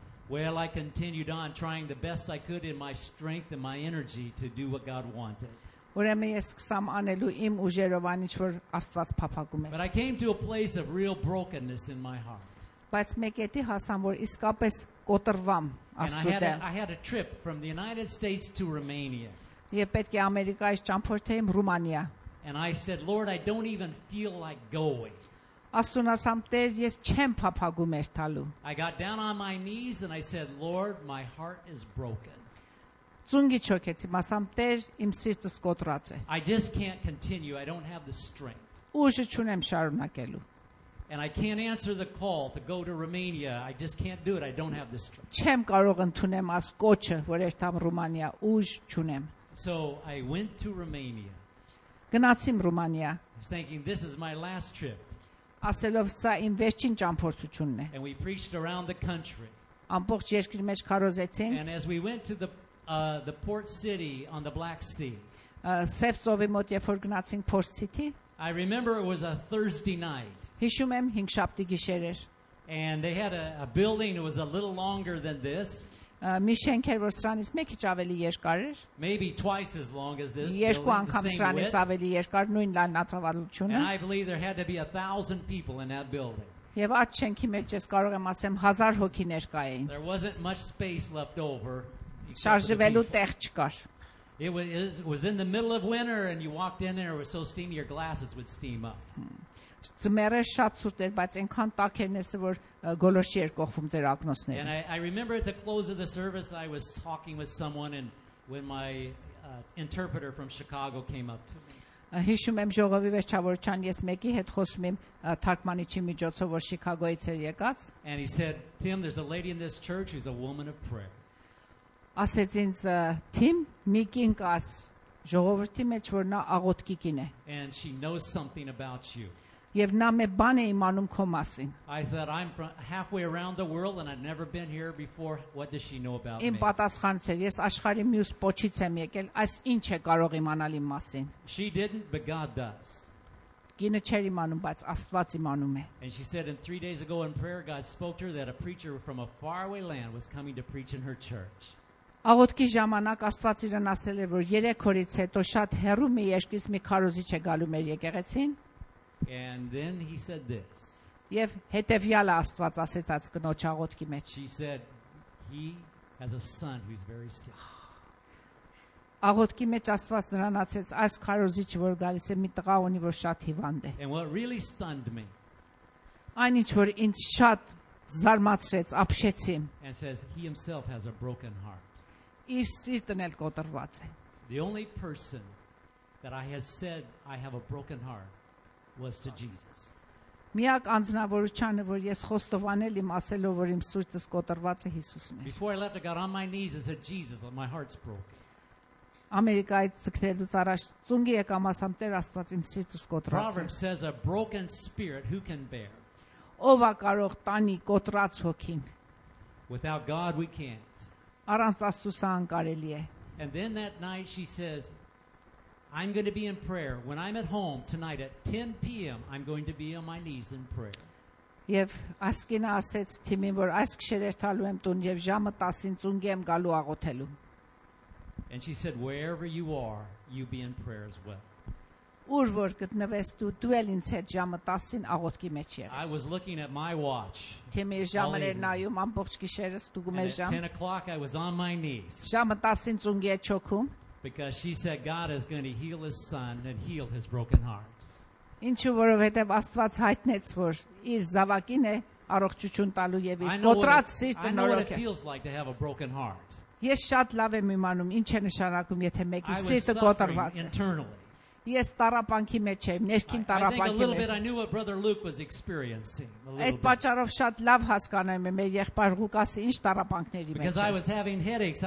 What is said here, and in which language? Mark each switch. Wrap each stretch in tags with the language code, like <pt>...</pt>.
<en>Well, I continued on trying the best I could in my strength and my energy to do what God wanted.</en> <hy>Ուրեմն ես սկսամ անելու իմ ուժերով այն ինչ որ Աստված փափագում է.</hy> <en>But I came to a place of real brokenness in my heart.</en> <hy>Բայց մեկ էտի հասամ որ իսկապես կոտրվամ Աստուծո։</hy> <en>And I had a trip from the United States to Romania.</en> <hy>Եվ պետք է Ամերիկայից ճամփորդեմ Ռումանիա։</hy> <en>And I said, Lord, I don't even feel like going.</en> <hy>Աստունասամ Տեր, ես չեմ փափագում երթալու.</hy> <en>I got down on my knees and I said, Lord, my heart is broken.</en> <hy>Ծունգի չոքեցի, ասամ Տեր, իմ սիրտը սկոտրած է.</hy> <en>I just can't continue. I don't have the strength.</en> <hy>Ուժը չունեմ շարունակելու.</hy> <en>And I can't answer the call to go to Romania. I just can't do it. I don't have the strength.</en> <hy>Չեմ կարող ընդունեմ աս կոչը, որ երթամ Ռումանիա, ուժ չունեմ.</hy> <en>So I went to Romania.</en> <hy>Գնացիմ Ռումանիա։</hy> <en>Thinking this is my last trip.</en> <hy>Ասելով սա իմ վերջին ճամփորդությունն է։</hy> <en>And we preached around the country.</en> <hy>Ամբողջ երկրի մեջ քարոզեցինք։</hy> <en>And as we went to the port city on the Black Sea.</en> <hy>Սևծովի մոտ երբ որ գնացինք</hy> <en>Port City. I remember it was a Thursday night.</en> <hy>Հիշում եմ 5-7 գիշեր էր։</hy> <en>And they had a building that was a little longer than this.</en> <hy>Մի շենք էր, որ սրանից մի քիչ ավելի երկար էր։</hy> <en>Maybe twice as long as this.</en> <hy>Երկու անգամ սրանից ավելի երկար նույն լայնածավալությունը։</hy> <en>And I believe there had to be 1000 people in that building.</en> <hy>Եվ այդ շենքի մեջ ես կարող եմ ասեմ 1000 հոգի ներկա էին։</hy> <en>There wasn't much space left over.</en> <hy>Շարժվելու տեղ չկար։</hy> <en>It was in the middle of winter and you walked in there, it was so steamy your glasses would steam up.</en> <hy>Ձմեռը շատ ցուրտ էր, բայց այնքան տաքերն էր, որ գոլորշի էր կողվում ձեր ակնոցները։</hy> <en>And I remember at the close of the service I was talking with someone and when my interpreter from Chicago came up to me.</en> <hy>Հիշում եմ ժողովի վերջավորչան ես մեկի հետ խոսում եմ թարգմանիչի միջոցով, որ Շիկագոից էր եկած։</hy> <en>And he said, "Tim, there's a lady in this church who's a woman of prayer."</en> <hy>Ասեց ինձ, "Tim, մի կին կաս ժողովրդի մեջ, որ նա աղոթքի կին է."</hy> <en>And she knows something about you.</en> <hy>Եվ նա մե բան է իմանում քո մասին։</hy> <en>I thought I'm from halfway around the world and I've never been here before. What does she know about me?</en> <hy>Իմ պատասխանը, ես աշխարհի մյուս փոչից եմ եկել, այս ինչ է կարող իմանալ իմ մասին։</hy> <en>She didn't, but God does.</en> <hy>Գինը չեր իմանում, բայց Աստված իմանում է։</hy> <en>And she said in 3 days ago in prayer God spoke to her that a preacher from a faraway land was coming to preach in her church.</en> <hy>Աղոթքի ժամանակ Աստված իրեն ասել է, որ 3 օրից հետո շատ հեռու մի երկրից մի քարոզիչ է գալու մեր եկեղեցին։</hy> <en>And then he said this.</en> <hy>Եվ հետևյալը Աստված ասեցած կնոջ աղոթքի մեջ։</hy> <en>She said he has a son who's very sick.</en> <hy>Աղոթքի մեջ Աստված նրան ասեց, այս քարոզիչը որ գալիս է մի տղա ունի որ շատ հիվանդ է։</hy> <en>And what really stunned me.</en> <hy>Այնինչ որ ինձ շատ զարմացրեց, ապշեցի։</hy> <en>And says he himself has a broken heart.</en> <hy>Իր սիրտն էլ կոտրված է։</hy> <en>The only person that I had said I have a broken heart was to Jesus.</en> <hy>Միակ անձնավորությունը որ ես խոստովանել եմ ասելով որ իմ սուրտս կոտրված է Հիսուսն է։</hy> <en>Before I left I got on my knees and said Jesus my heart's broken.</en> <hy>Ամերիկայից ցկնելուց առաջ ծունգի եկամ ասամ Տեր Աստված իմ սիրտս կոտրած է։</hy> <en>Proverb says a broken spirit who can bear.</en> <hy>Ո՞վ է կարող տանի կոտրած հոգին։</hy> <en>Without God we can't.</en> <hy>Առանց Աստծո սա անկարելի է։</hy> <en>And then that night she says I'm going to be in prayer. When I'm at home tonight at 10 p.m., I'm going to be on my knees in prayer.</en> <hy>Եվ ասկինա ասեց թիմին, որ այս գիշերերթալու եմ տուն եւ ժամը 10-ին ծունգի եմ գալու աղոթելու։</hy> <en>And she said wherever you are, you be in prayer as well.</en> <hy>Ուր որ գտնվես դու, դու էլ ինձ հետ ժամը 10-ին աղոթքի մեջ եղես։</hy> <en>I was looking at my watch.</en> <hy>Թիմի ժամը նայում ամբողջ գիշերս դու գումես ժամը։</hy> <en>At 10 o'clock I was on my knees.</en> <hy>Ժամը 10-ին ծունգի եմ չոքում։</hy> <en>Because she said God is going to heal his son and heal his broken heart.</en> <hy>Ինչու որովհետև Աստված հայտնեց որ իր զավակին է առողջություն տալու եւ իր կոտրած սիրտը նորոգել։ Ես շատ լավ եմ իմանում ինչ է նշանակում եթե մեկի սիրտը կոտրված է։ Ես տարապանքի մեջ եմ, ներքին տարապանքի մեջ։ Այդ պատճառով շատ լավ հասկանում եմ, երբ եղբայր Ղուկասը ինչ տարապանքների մեջ</hy>